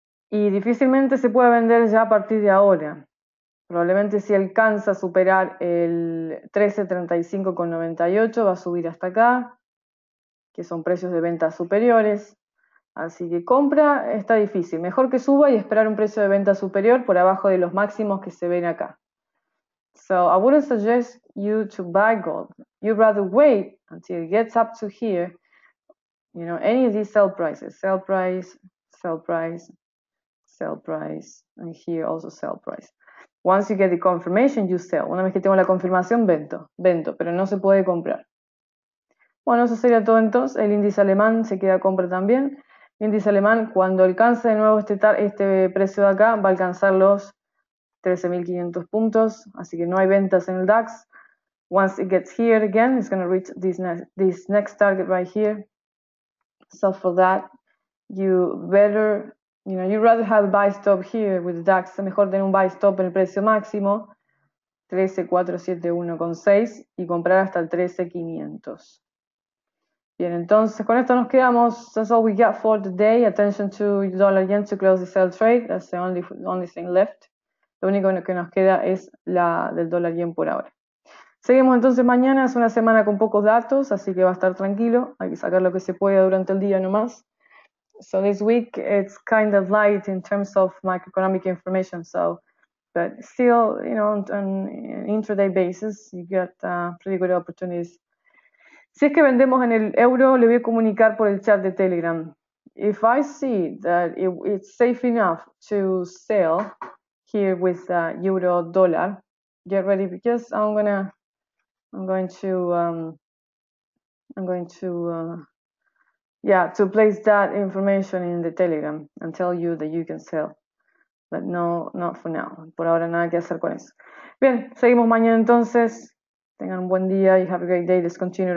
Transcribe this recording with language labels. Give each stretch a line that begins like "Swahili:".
Spanish: Y difícilmente se puede vender ya a partir de ahora. Probablemente si alcanza a superar el 1335,98 va a subir hasta acá, que son precios de venta superiores. Así que compra está difícil. Mejor que suba y esperar un precio de venta superior por abajo de los máximos que se ven acá.
English: So, I wouldn't suggest you to buy gold. You'd rather wait until it gets up to here. You know, any of these sell prices. Sell price, sell price, sell price. And here also sell price. Once you get the confirmation, you sell.
Spanish: Una vez que tengo la confirmación, vendo. Vendo, pero no se puede comprar. Bueno, eso sería todo entonces. El índice alemán se queda compra también. El índice alemán, cuando alcance de nuevo este precio de acá, va a alcanzar los 13.500 puntos, así que no hay ventas en el DAX.
English: Once it gets here again, it's going to reach this next target right here. So for that, you rather have a buy stop here with the DAX.
Spanish: Mejor tener un buy stop en el precio máximo, 13.471,6, y comprar hasta el 13.500. Bien, entonces con esto nos quedamos.
English: That's all we got for today. Attention to the dollar yen to close the sell trade. That's the only thing left.
Spanish: Lo único que nos queda es la del dólar yen por ahora. Seguimos entonces mañana. Es una semana con pocos datos, así que va a estar tranquilo. Hay que sacar lo que se pueda durante el día nomás.
English: So this week it's kind of light in terms of macroeconomic information. So But still, you know, on an intraday basis, you get pretty good opportunities.
Spanish: Si es que vendemos en el euro, le voy a comunicar por el chat de Telegram.
English: If I see that it's safe enough to sell here with euro dollar, get ready because I'm going to place that information in the Telegram and tell you that you can sell. But no, not for now.
Spanish: Por ahora nada que hacer con eso. Bien, seguimos mañana entonces. Tengan un buen día y
English: have a great day. Let's continue tomorrow.